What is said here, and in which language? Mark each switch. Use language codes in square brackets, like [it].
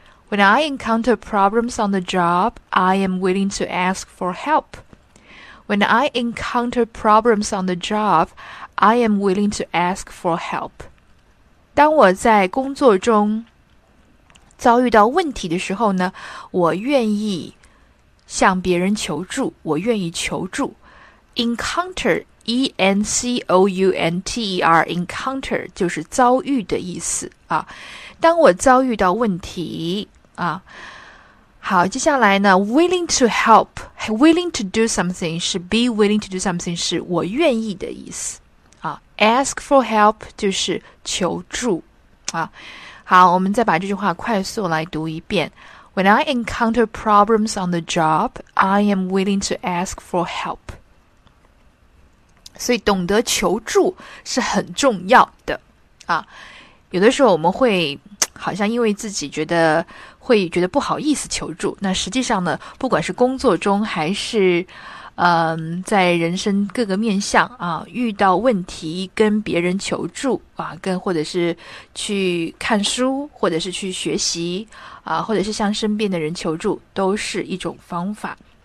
[en] When I encounter problems on the job, I am willing to ask for help. When I encounter problems on the job, I am willing to ask for help. [zh] 当我在工作中遭遇到问题的时候呢，我愿意向别人求助，我愿意求助。 Encounter. E-N-C-O-U-N-T-E-R, encounter, 就是遭遇的意思啊。当我遭遇到问题啊。好，接下来呢 , [en] willing to help, willing to do something, [zh] 是 [en] be willing to do something, [zh] 是我愿意的意思啊。 [en] Ask for help, [zh] 就是求助啊。好，我们再把这句话快速来读一遍。 [en] When I encounter problems on the job, I am willing to ask for help. [zh] 所以懂得求助是很重要的啊。有的时候我们会好像因为自己觉得会觉得不好意思求助，那实际上呢，不管是工作中还是在人生各个面向啊，遇到问题跟别人求助啊，跟或者是去看书，或者是去学习啊，或者是向身边的人求助，都是一种方法。